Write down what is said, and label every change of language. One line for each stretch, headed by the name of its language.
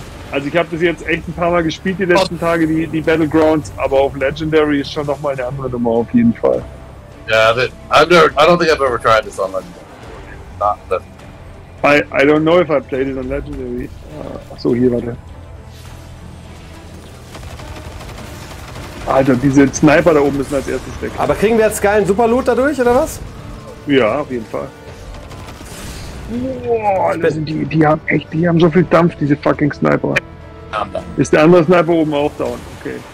German: Also ich habe das jetzt echt ein paar Mal gespielt die letzten Tage, die Battlegrounds, aber auf Legendary ist schon nochmal eine andere Nummer auf jeden Fall.
English: Yeah, I don't think I've ever tried this on Legendary. I don't know if I played it on Legendary.
German: Achso, hier, warte. Alter, diese Sniper da oben müssen als erstes weg. Aber kriegen wir jetzt geilen Superloot dadurch, oder was? Ja, auf jeden Fall. Boah, das sind die haben so viel Dampf, diese fucking Sniper. Ist der andere Sniper oben auch down? Okay.